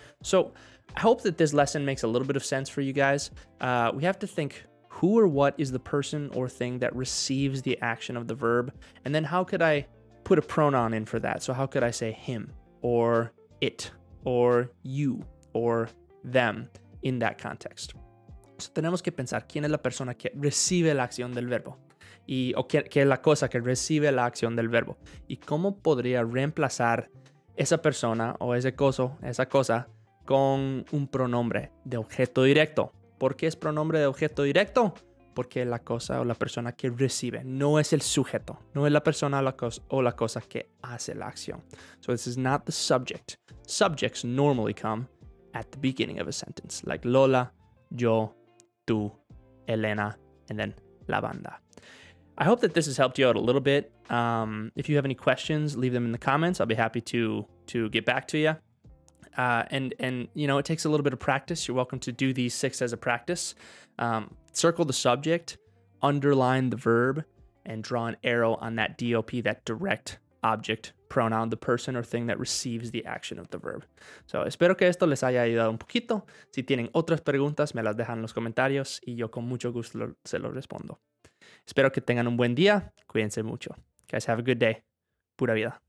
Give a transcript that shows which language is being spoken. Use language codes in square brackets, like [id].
[en] So I hope that this lesson makes a little bit of sense for you guys. We have to think, who or what is the person or thing that receives the action of the verb? And then how could I put a pronoun in for that? So how could I say him or it or you or them in that context? [es] So tenemos que pensar, ¿quién es la persona que recibe la acción del verbo? Y, o qué es la cosa que recibe la acción del verbo? ¿Y cómo podría reemplazar esa persona o ese coso, esa cosa, con un pronombre de objeto directo? ¿Por qué es pronombre de objeto directo? Porque la cosa o la persona que recibe no es el sujeto. No es la persona o la cosa que hace la acción. [en] So this is not the subject. Subjects normally come at the beginning of a sentence. Like Lola, yo, tú, Elena, and then la banda. I hope that this has helped you out a little bit. If you have any questions, leave them in the comments. I'll be happy to get back to you. And you know, it takes a little bit of practice. You're welcome to do these six as a practice. Circle the subject, underline the verb, and draw an arrow on that DOP, that direct object pronoun, the person or thing that receives the action of the verb. [es] So, espero que esto les haya ayudado un poquito. Si tienen otras preguntas, me las dejan en los comentarios y yo con mucho gusto se lo respondo. Espero que tengan un buen día. Cuídense mucho. [en] Guys, have a good day. [es] Pura vida.